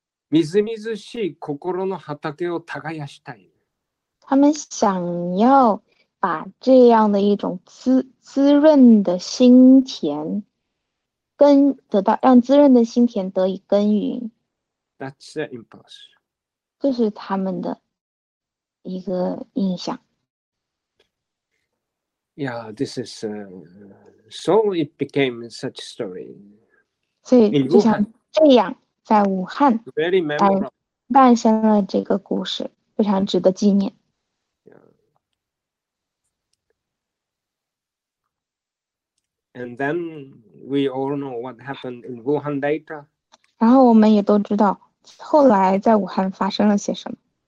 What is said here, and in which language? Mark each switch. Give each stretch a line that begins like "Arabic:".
Japanese: みずみずしい心の畑を耕したい。
Chinese: 他们想要把这样的一种滋润的心田得到，让滋润的心田得以耕耘。
English: That's the impulse.
Chinese: 这是他们的一个印象。
English: Yeah, this is so it became such a story.
Chinese: 所以就像这样。在武汉诞生了这个故事非常值得纪念、
English: yeah. And then we all know what happened in Wuhan later
Chinese: 然后我们也都知道后来在武汉发生了些什么